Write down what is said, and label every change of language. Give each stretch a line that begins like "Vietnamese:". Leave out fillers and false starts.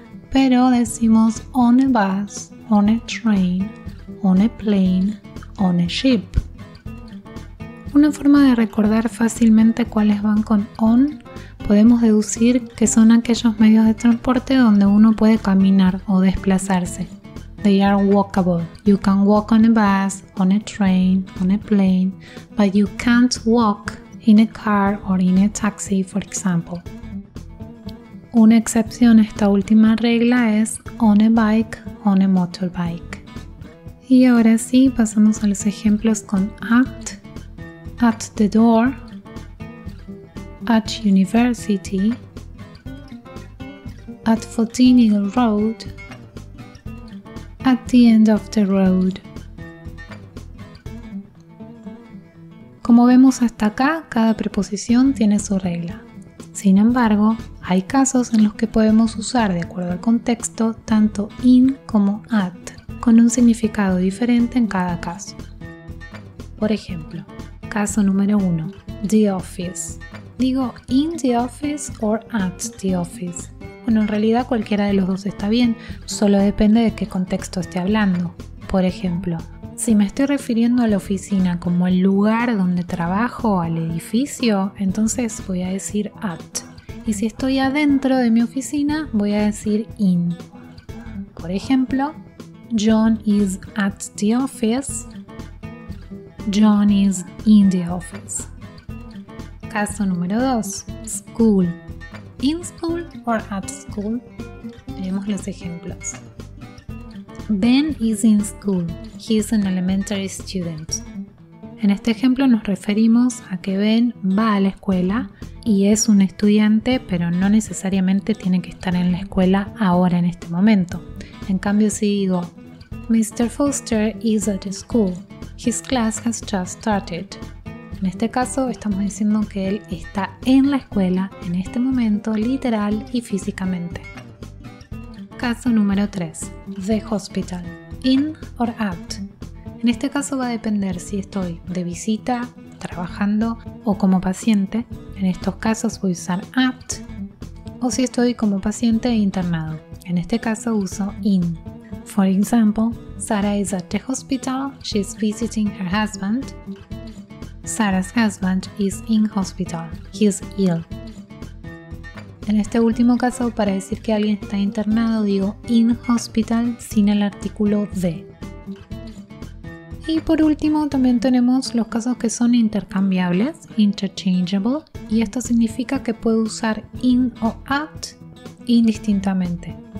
Spanish: Pero decimos
English: on a bus, on a train, on a plane, on a ship.
Spanish: Una forma de recordar fácilmente cuáles van con on, podemos deducir que son aquellos medios de transporte donde uno puede caminar o desplazarse.
English: They are walkable. You can walk on a bus, on a train, on a plane, but you can't walk in a car or in a taxi, for example.
Spanish: Una excepción a esta última regla es
English: on a bike, on a motorbike.
Spanish: Y ahora sí, pasamos a los ejemplos con
English: at the door, at university, at 14 Eagle Road, at the end of the road.
Spanish: Como vemos hasta acá, cada preposición tiene su regla. Sin embargo, hay casos en los que podemos usar, de acuerdo al contexto, tanto in como at, con un significado diferente en cada caso. Por ejemplo, caso número 1,
English: the office.
Spanish: Digo
English: in the office or at the office.
Spanish: Bueno, en realidad cualquiera de los dos está bien, solo depende de qué contexto esté hablando. Por ejemplo, si me estoy refiriendo a la oficina como el lugar donde trabajo, al edificio, entonces voy a decir at. Y si estoy adentro de mi oficina, voy a decir in. Por ejemplo,
English: John is at the office. John is in the office.
Spanish: Caso número 2,
English: school. In school or at school? Veamos los ejemplos. Ben is in school. He is an elementary student.
Spanish: En este ejemplo nos referimos a que Ben va a la escuela y es un estudiante, pero no necesariamente tiene que estar en la escuela ahora en este momento. En cambio, si digo,
English: Mr. Foster is at school. His class has just started.
Spanish: En este caso, estamos diciendo que él está en la escuela en este momento, literal y físicamente. Caso número 3.
English: The hospital. In or at?
Spanish: En este caso va a depender si estoy de visita, trabajando o como paciente. En estos casos voy a usar at. O si estoy como paciente internado. En este caso uso in.
English: For example, Sarah is at the hospital. She is visiting her husband. Sarah's husband is in hospital. He is ill.
Spanish: En este último caso, para decir que alguien está internado, digo
English: in hospital
Spanish: sin el artículo de. Y por último, también tenemos los casos que son intercambiables, interchangeable, y esto significa que puedo usar in o at indistintamente.